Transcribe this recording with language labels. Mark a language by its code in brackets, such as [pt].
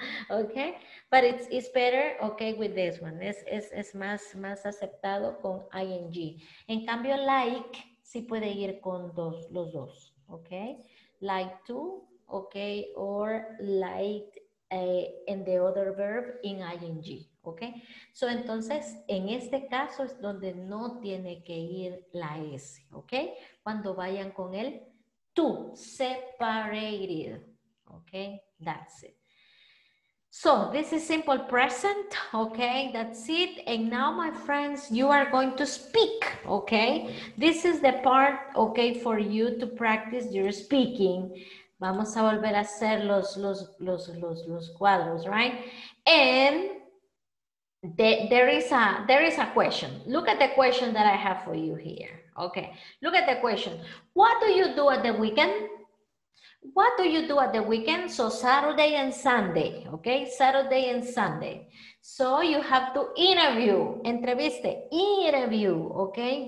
[en] Okay, but it's better, okay, with this one. [es] Es más aceptado con ing. En cambio, like, sí puede ir con dos, los dos, okay. [en] Like to, okay, or like and the other verb in ing, okay? [es] So, entonces, en este caso es donde no tiene que ir la S, okay? Cuando vayan con el to, separated, okay? That's it. [en] So, this is simple present, okay? That's it. And now, my friends, you are going to speak, okay? This is the part, okay, for you to practice your speaking. [es] Vamos a volver a hacer los cuadros, right? [en] And there is a question. Look at the question that I have for you here. Okay. Look at the question. What do you do at the weekend? What do you do at the weekend? So Saturday and Sunday. Okay. Saturday and Sunday. So you have to interview. [es] Entreviste. [en] Interview. Okay.